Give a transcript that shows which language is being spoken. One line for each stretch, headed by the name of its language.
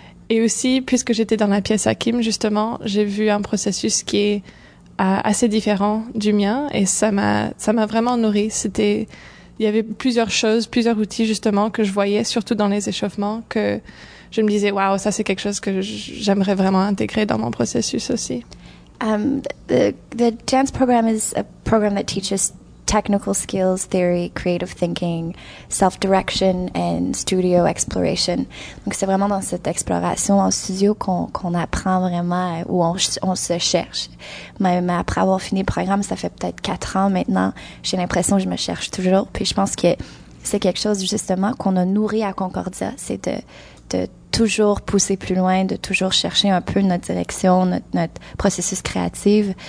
French: Et aussi, puisque j'étais dans la pièce à Kim, justement, j'ai vu un processus qui est assez différent du mien et ça m'a vraiment nourrie. Il y avait plusieurs choses, plusieurs outils, justement, que je voyais, surtout dans les échauffements, que je me disais, waouh, ça, c'est quelque chose que j'aimerais vraiment intégrer dans mon processus aussi.
English: The dance program is a program that teaches technical skills, theory, creative thinking, self-direction and studio exploration.
French: Donc, c'est vraiment dans cette exploration en studio qu'on apprend vraiment, où on se cherche. Même après avoir fini le programme, ça fait peut-être 4 ans maintenant, j'ai l'impression que je me cherche toujours. Puis je pense que c'est quelque chose justement qu'on a nourri à Concordia, c'est de toujours pousser plus loin, de toujours chercher un peu notre direction, notre processus créatif.